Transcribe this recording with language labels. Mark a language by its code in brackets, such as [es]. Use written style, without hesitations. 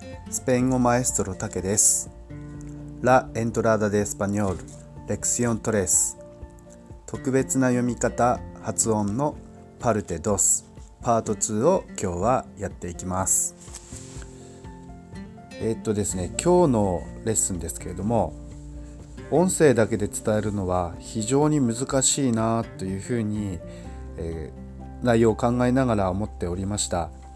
[ja] スペイン語マエストロタケです。 [es] La entrada de español, lección 3. [ja] 特別な読み方、発音のパルテ2、パート2を今日はやっていきます。ですね、今日のレッスンですけれども、音声だけで伝えるのは非常に難しいなというふうに、内容を考えながら思っておりました。